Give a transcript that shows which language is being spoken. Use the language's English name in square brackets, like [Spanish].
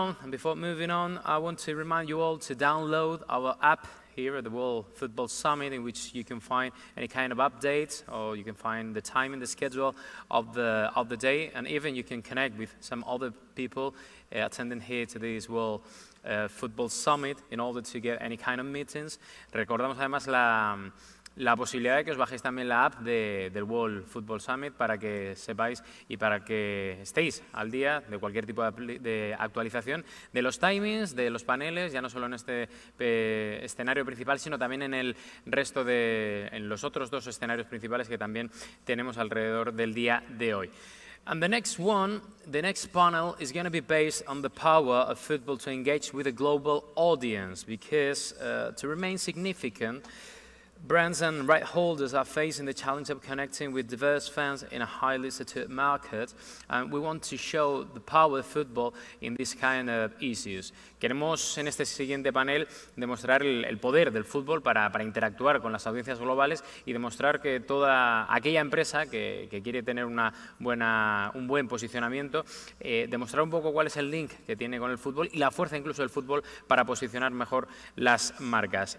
[English] Before moving on, I want to remind you all to download our app here at the World Football Summit, in which you can find any kind of updates, or you can find the time and the schedule of the day, and even you can connect with some other people attending here to this World Football Summit in order to get any kind of meetings. [Spanish] Recordamos además la posibilidad de que os bajéis también la app del World Football Summit para que sepáis y para que estéis al día de cualquier tipo de actualización de los timings, de los paneles, ya no solo en este escenario principal, sino también en el resto de en los otros dos escenarios principales que también tenemos alrededor del día de hoy. [English] And the next panel is going to be based on the power of football to engage with a global audience, because to remain significant, brands and right holders are facing the challenge of connecting with diverse fans in a highly saturated market, and we want to show the power of football in this kind of issues. [Spanish] Queremos en este siguiente panel demostrar el poder del fútbol para interactuar con las audiencias globales y demostrar que toda aquella empresa que quiere tener un buen posicionamiento, demostrar un poco cuál es el link que tiene con el fútbol y la fuerza incluso del fútbol para posicionar mejor las marcas.